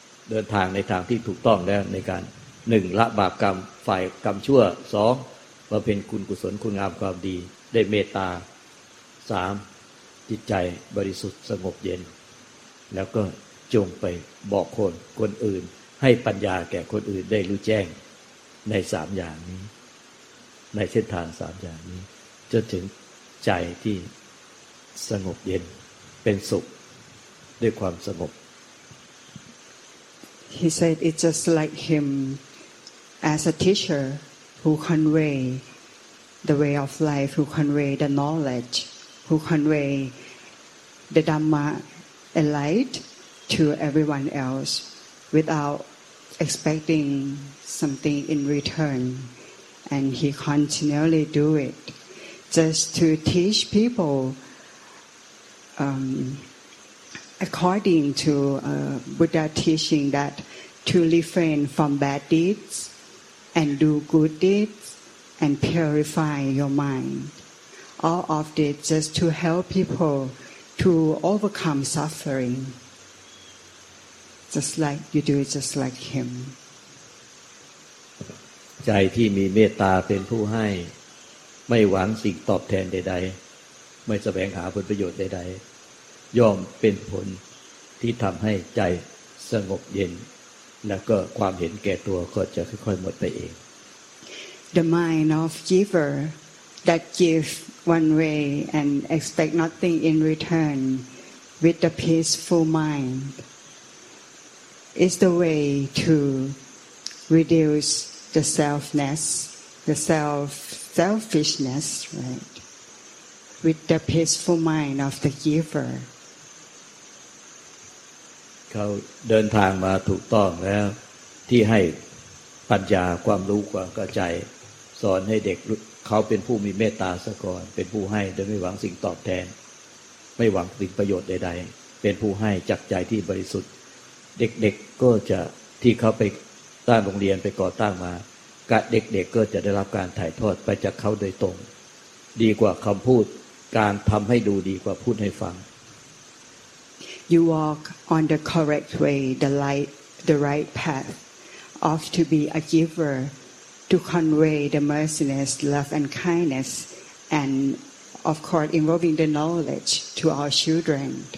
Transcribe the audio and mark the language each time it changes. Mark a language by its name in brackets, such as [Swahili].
[Thai] เดินทางในทางที่ถูกต้องแล้วในการ1ละบาปกรรมฝ่ายกรรมชั่ว2มาเป็นคุณกุศลคุณงามความดีได้เมตตา3จิตใจบริสุทธิ์สงบเย็นแล้วก็จงไปบอกคนอื่นให้ปัญญาแก่คนอื่นได้รู้แจ้งใน3อย่างนี้ในเส้นทาง3อย่างนี้จนถึงใจที่สงบเย็นเป็นสุขด้วยความสงบ [English] He said it's just like him as a teacher who convey the way of life, who convey the knowledge, who convey the Dhamma a light to everyone else without expecting something in return, and he continually do it just to teach peopleAccording to Buddha teaching that to refrain from bad deeds and do good deeds and purify your mind, all of this just to help people to overcome suffering, just like you do, just like him. [Thai] ใจที่มีเมตตาเป็นผู้ให้ไม่หวังสิ่งตอบแทนใดๆไม่แสวงหาผลประโยชน์ใดๆย่อมเป็นผลที่ทำให้ใจสงบเย็นแล้วก็ความเห็นแก่ตัวก็จะค่อยๆหมดไปเอง [English] The mind of giver that give one way and expect nothing in return with the peaceful mind is the way to reduce the selfness, the selfishness, right? With the peaceful mind of the giver [Thai] เขาเดินทางมาถูกต้องแล้วที่ให้ปัญญาความรู้ความเข้าใจสอนให้เด็กเขาเป็นผู้มีเมตตาสักก่อนเป็นผู้ให้โดยไม่หวังสิ่งตอบแทนไม่หวังสิ่งประโยชน์ใดๆเป็นผู้ให้จากใจที่บริสุทธิ์เด็กๆก็จะที่เขาไปตั้งโรงเรียนไปก่อตั้งมาเด็กๆก็จะได้รับการถ่ายทอดไปจากเขาโดยตรงดีกว่าคำพูดการทำให้ดูดีกว่าพูดให้ฟัง [English] You walk on the correct way, the right path of to be a giver, to convey the merciness, love and kindness, and of course involving the knowledge to our children.